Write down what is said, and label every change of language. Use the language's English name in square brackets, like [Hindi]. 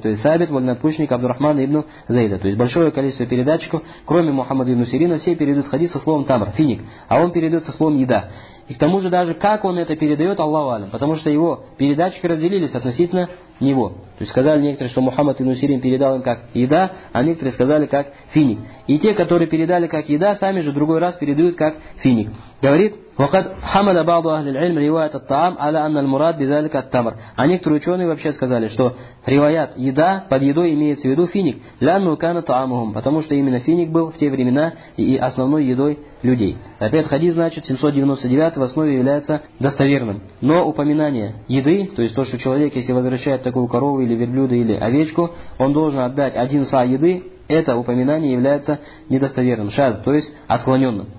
[Russian] То есть Сабит, вольноотпущенник Абдурахман ибн Зайда. То есть большое количество передатчиков, кроме Мухаммада ибн Сирина, все передают хадис со словом тамр, финик, а он передает со словом еда. И к тому же даже как он это передает, Аллаху алям, потому что его передатчики разделились относительно него. То есть сказали некоторые, что Мухаммад ибн Сирин передал им как еда, а некоторые сказали как финик. И те, которые передали как еда, сами же другой раз передают как финик. Говорит, [Arabic] وقد حمل بعض اهل العلم روايه الطعام على ان المراد بذلك التمر. [Russian] А некоторые ученые вообще сказали, что риваят еда, под едой имеется в виду финик, [Arabic] لانه كان طعامهم, [Russian] потому что именно финик был в те времена и основной едой людей. Опять хадис, значит, 799 в основе является достоверным. Но упоминание еды, то есть то, что человек, если возвращает такую корову или верблюда или овечку, он должен отдать один са еды, это упоминание является недостоверным, шаз, то есть отклоненным.